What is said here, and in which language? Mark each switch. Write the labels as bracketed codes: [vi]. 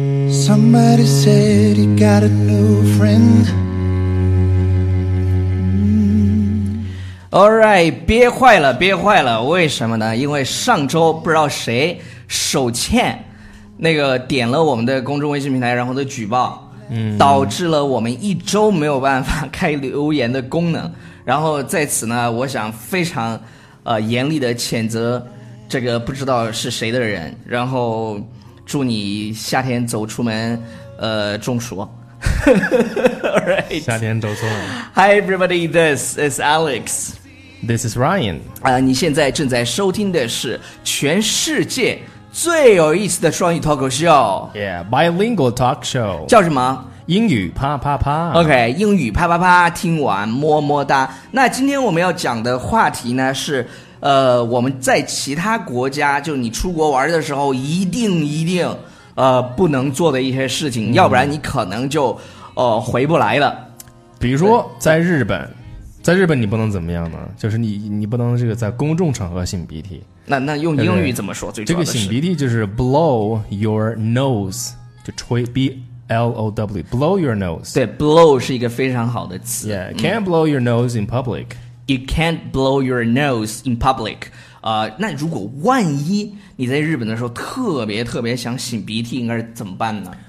[en] Somebody said he got a new friend. All right, [zh] 憋坏了，憋坏了，为什么呢？因为上周不知道谁手欠，那个点了我们的公众微信平台，然后的举报，导致了我们一周没有办法开留言的功能。然后在此呢，我想非常严厉的谴责这个不知道是谁的人。然后祝你夏天走出门，中暑。夏天走出门。 [en] Hi everybody, this is Alex. This is Ryan. [zh] 你现在正在收听的是全世界最有意思的双语脱口秀。 [en] Yeah, bilingual talk show. [zh] 叫什么？英语啪啪啪。 OK, 英语啪啪啪，听完么么哒。那今天我们要讲的话题呢是我们在其他国家，就你出国玩的时候一定不能做的一些事情，要不然你可能就回不来了。比如说在日本，在日本你不能怎么样呢，就是你不能这个在公众场合擤鼻涕。那用英语怎么说？最重要的这个擤鼻涕就是 [en] blow your nose, [zh] 就吹 [en] B-L-O-W, blow your nose. [zh] 对， blow 是一个非常好的词。 [en] Yeah, can't blow your nose in public. You can't blow your nose in public. [zh] 那如果万一你在日本的时候特别特别想擤鼻涕，应该是怎么办呢？